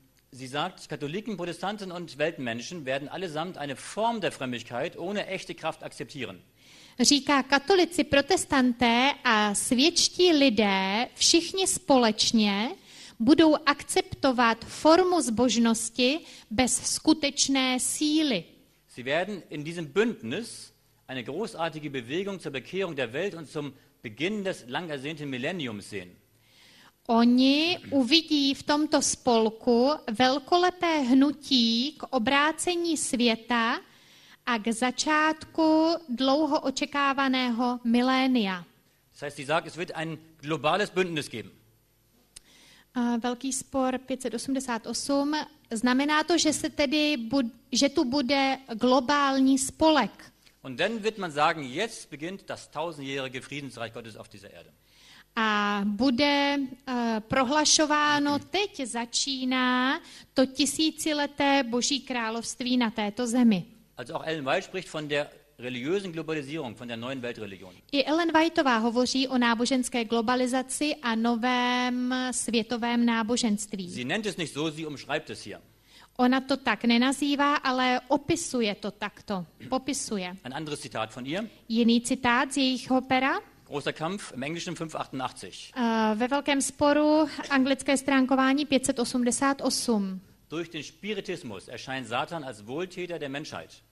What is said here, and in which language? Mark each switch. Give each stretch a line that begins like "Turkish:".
German: Sie sagt, Katholiken, Protestanten und Weltmenschen werden allesamt eine Form der Frömmigkeit ohne echte Kraft akzeptieren.
Czech: Říká, katolici, protestanté a světští lidé všichni společně budou akceptovat formu zbožnosti bez skutečné síly.
German: Sie werden in diesem Bündnis eine großartige Bewegung zur Bekehrung der Welt und zum Beginn des lang ersehnten Millenniums sehen.
Czech: Oni uvidí v tomto spolku velkolepé hnutí k obrácení světa a k začátku dlouho očekávaného milénia.
German: Das heißt, sie sagt, es wird ein globales Bündnis geben.
Czech: Velký spor 588 znamená to, že se tedy že tu bude globální spolek.
German: Und dann wird man sagen, jetzt beginnt das tausendjährige Friedensreich Gottes auf dieser Erde.
Czech: A bude prohlašováno, teď začíná to tisícileté Boží království na této zemi.
German: Also auch Ellen White spricht von der religiösen Globalisierung, von der neuen Weltreligion.
Czech: I Ellen Whiteová hovoří o náboženské globalizaci a novém světovém náboženství.
German: Sie nennt es nicht so, sie umschreibt es hier.
Czech: Ona to tak nenazývá, ale opisuje to takto, popisuje.
German: Ein anderes Zitat von ihr.
Czech: Jiný citát z jejich opera.
German: Großer Kampf im Englischen 588.
Czech: Ve velkém sporu, anglické stránkování 588.
German: Durch den Spiritismus erscheint Satan als Wohltäter der Menschheit.